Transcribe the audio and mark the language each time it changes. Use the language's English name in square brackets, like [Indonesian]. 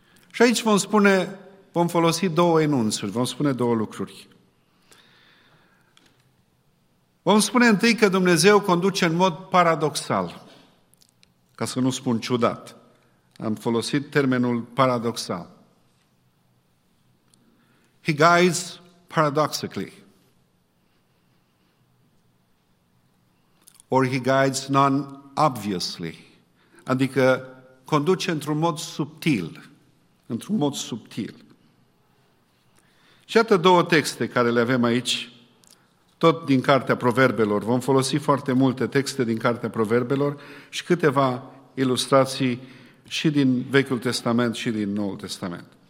[Romanian] Și aici vom folosi două enunțuri, vom spune două lucruri. Vom spune întâi că Dumnezeu conduce în mod paradoxal, ca să nu spun ciudat. Am folosit termenul paradoxal. [English] He guides paradoxically. Or he guides non-obviously. [Romanian] Adică conduce într-un mod subtil. Într-un mod subtil. Și iată două texte care le avem aici, tot din Cartea Proverbelor. Vom folosi foarte multe texte din Cartea Proverbelor și câteva ilustrații și din Vechiul Testament și din Noul Testament.